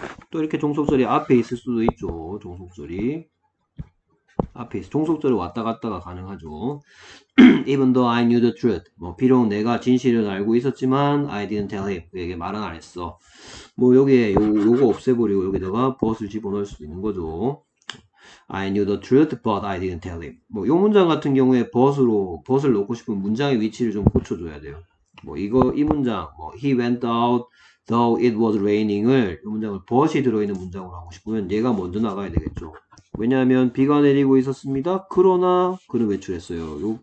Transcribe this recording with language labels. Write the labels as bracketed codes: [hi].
[ko] 또 이렇게 종속절이 앞에 있을 수도 있죠. 종속절이. 앞에 있어. 종속절을 왔다 갔다가 가능하죠. [en] Even though I knew the truth. [ko] 뭐, 비록 내가 진실을 알고 있었지만, [en] I didn't tell him. [ko] 그에게 말은 안 했어. 뭐, 여기에 요거 없애버리고 여기다가 but을 집어넣을 수도 있는 거죠. [en] I knew the truth, but I didn't tell him. [ko] 뭐, 요 문장 같은 경우에 but을 넣고 싶은 문장의 위치를 좀 고쳐줘야 돼요. 뭐, 이거, 이 문장. 뭐, [en] he went out though it was raining [ko] 을, 이 문장을 but이 들어있는 문장으로 하고 싶으면 얘가 먼저 나가야 되겠죠. 왜냐하면 비가 내리고 있었습니다. 그러나 그는 외출했어요.